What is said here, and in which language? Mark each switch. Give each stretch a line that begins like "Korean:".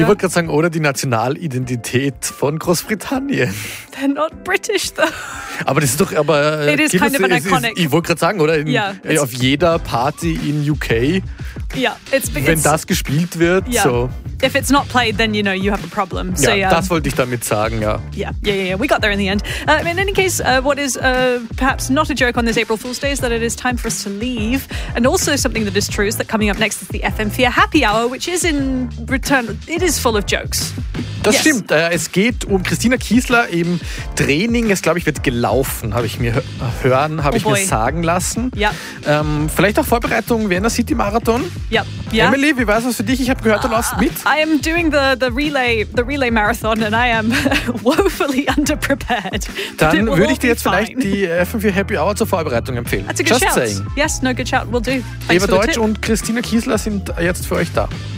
German: Ich wollte gerade sagen, oder die Nationalidentität von Großbritannien.
English: They're not British, though.
German: Aber das ist doch... Aber,
English: it is kind of an iconic...
German: Ich wollte gerade sagen, oder? Auf jeder Party in UK, wenn das gespielt wird, so...
English: If it's not played, then you know you have a problem.
German: So, ja, das wollte ich damit sagen, ja.
English: Yeah. We got there in the end. In any case, what is perhaps not a joke on this April Fool's Day is that it is time for us to leave. And also something that is true is that coming up next is the FM4 Happy Hour, which is in return, it is full of jokes.
German: Das stimmt. Es geht um Christina Kiesler im Training. Es, glaube ich, wird gelaufen, habe ich mir hören, mir sagen lassen. Ja. Vielleicht auch Vorbereitungen während der City-Marathon. Ja. Emily, wie war es für dich? Ich habe gehört, du laufst mit.
English: I am doing the relay marathon and I am woefully underprepared.
German: Dann würde ich dir jetzt vielleicht die FM4 Happy Hour zur Vorbereitung empfehlen.
English: That's a good Just shout. Saying. Yes, no, good shout. We'll do. Thanks Eva
German: Deutsch
English: the tip.
German: Und Christina Kiesler sind jetzt für euch da.